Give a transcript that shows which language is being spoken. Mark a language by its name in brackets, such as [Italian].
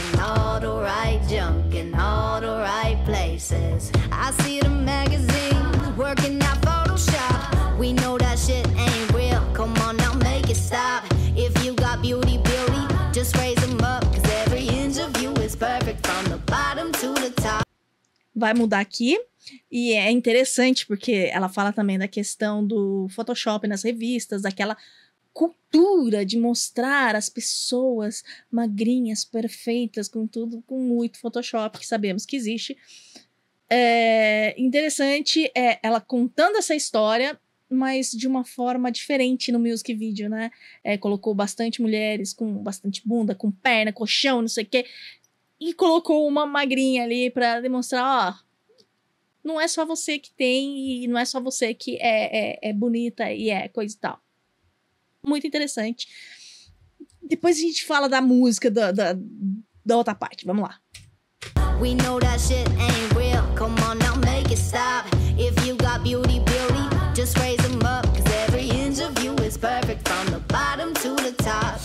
[English] In all the right junk in all the right places. I see the magazine working out Photoshop. We know that shit ain't real, come on now make it stop. If you got beauty, beauty, just raise them up. Cause every inch of you is perfect from the bottom to the top. [Portuguese] Vai mudar aqui. E é interessante porque ela fala também da questão do Photoshop nas revistas, daquela cultura de mostrar as pessoas magrinhas, perfeitas, com tudo, com muito Photoshop, que sabemos que existe. É interessante ela contando essa história, mas de uma forma diferente no music video, né? Colocou bastante mulheres com bastante bunda, com perna, colchão, não sei o quê, e colocou uma magrinha ali para demonstrar, ó... não é só você que tem e não é só você que é bonita e é coisa e tal. Muito interessante. Depois a gente fala da música da outra parte. Vamos lá. [English] We know that shit ain't real. Come on, now make it stop. If you got beauty, beauty, just raise them up. Cause every inch of you is perfect from the bottom to the top.